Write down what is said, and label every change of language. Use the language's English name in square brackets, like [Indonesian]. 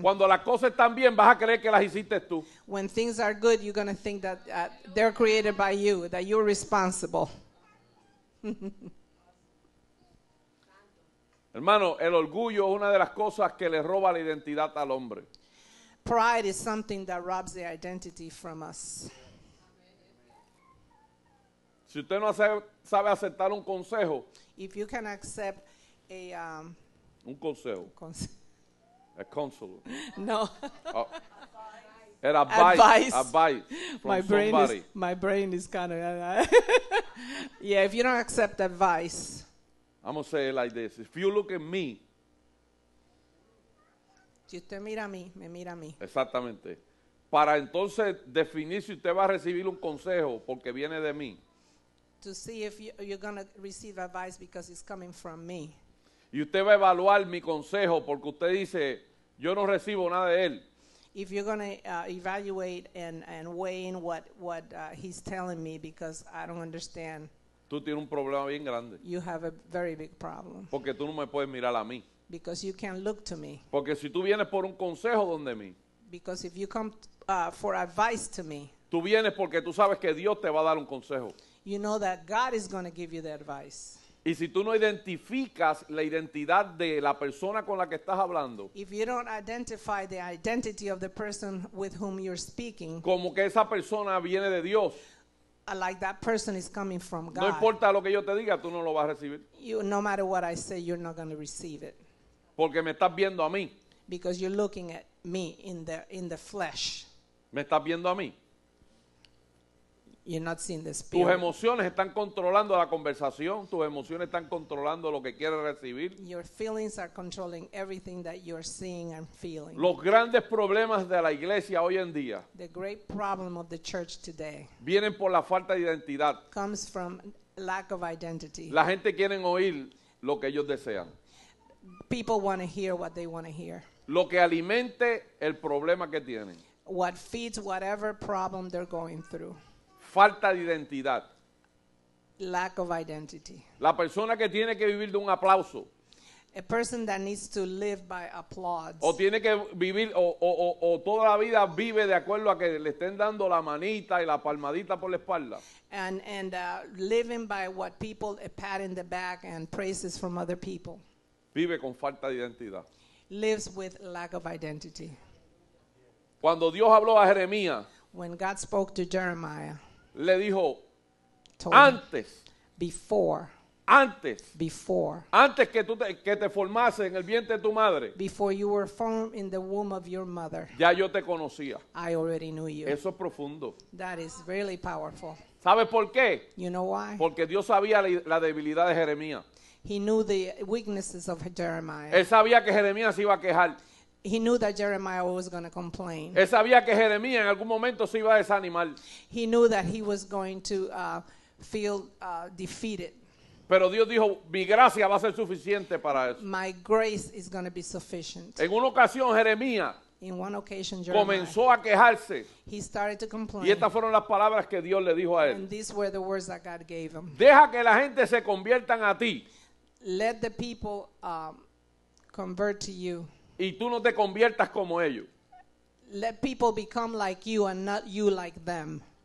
[Spanish] Cuando las cosas están bien, vas a creer que las hiciste tú. [English] When things are good, you're going to think that they're created by you, that you're responsible. [Spanish] Hermano, el orgullo es una de las cosas que le roba la identidad al hombre. [English] Pride is something that robs the identity from us. [Spanish] Si usted no sabe aceptar un consejo, [English] if you can accept a [Spanish] un consejo, [English] a counselor, [Spanish] no, [English] an advice. My brain is kind of yeah. If you don't accept advice, I'm gonna say it like this: if you look at me, [Spanish] si usted mira a mí, me mira a mí. Exactamente. Para entonces definir si usted va a recibir un consejo porque viene de mí. [English] To see if you're gonna receive advice because it's coming from me. [Spanish] Y usted va a evaluar mi consejo porque usted dice yo no recibo nada de él. [English] If you're going to evaluate and weigh in what he's telling me because I don't understand. [Spanish] Tú tienes un problema bien grande. [English] You have a very big problem. [Spanish] Porque tú no me puedes mirar a mí. [English] Because you can't look to me. [Spanish] Porque si tú vienes por un consejo donde mí. [English] Because if you come for advice to me. [Spanish] Tú vienes porque tú sabes que Dios te va a dar un consejo. [English] You know that God is going to give you the advice. [Spanish] Y si tú no identificas la identidad de la persona con la que estás hablando. [English] If you don't identify the identity of the person with whom you're speaking. [Spanish] Como que esa persona viene de Dios. [English] like that person is coming from God. [Spanish] No importa lo que yo te diga, tú no lo vas a recibir. [English] You, no matter what I say, you're not going to receive it. [Spanish] Porque me estás viendo a mí. [English] Because you're looking at me in the flesh. [Spanish] Me estás viendo a mí. [English] You're not seeing the spirit. [Spanish] Tus emociones están controlando la conversación. Tus emociones están controlando lo que quieres recibir. [English] Your feelings are controlling everything that you're seeing and feeling. [Spanish] Los grandes problemas de la iglesia hoy en día. [English] The great problem of the church today. [Spanish] Vienen por la falta de identidad. [English] Comes from lack of identity. [Spanish] La gente quiere oír lo que ellos desean. [English] People want to hear what they want to hear. [Spanish] Lo que alimente el problema que tienen. [English] What feeds whatever problem they're going through. [Spanish] Falta de identidad. [English] Lack of identity. [Spanish] La persona que tiene que vivir de un aplauso. [English] A person that needs to live by applause. [Spanish] O tiene que vivir, o toda la vida vive de acuerdo a que le estén dando la manita y la palmadita por la espalda. [English] And living by what people, a pat in the back and praises from other people. [Spanish] Vive con falta de identidad. [English] Lives with lack of identity. [Spanish] Cuando Dios habló a Jeremías. [English] When God spoke to Jeremiah. [Spanish] Le dijo, antes, [English] before, [Spanish] antes, [English] before, [Spanish] antes que tú te formase en el vientre de tu madre, [English] before you were formed in the womb of your mother, [Spanish] ya yo te conocía. [English] I already knew you. [Spanish] Eso es profundo. [English] That is really powerful. [Spanish] ¿Sabes por qué? [English] You know why? [Spanish] Porque Dios sabía la debilidad de Jeremías. [English] He knew the weaknesses of Jeremiah. [Spanish] Él sabía que Jeremías se iba a quejar. [English] He knew that Jeremiah was going to complain. [Spanish] Él sabía que Jeremías en algún momento se iba a desanimar. [English] He knew that he was going to feel defeated. [Spanish] Pero Dios dijo, mi gracia va a ser suficiente para eso. [English] My grace is going to be sufficient. [Spanish] En una ocasión Jeremías. [English] In one occasion, Jeremiah, [Spanish] comenzó a quejarse. [English] He started to complain. [Spanish] Y estas fueron las palabras que Dios le dijo a él. [English] And these were the words that God gave him. [Spanish] Deja que la gente se conviertan a ti. [English] Let the people convert to you. [Spanish] Y tú no te conviertas como ellos. [English] Let people become like you and not you like them.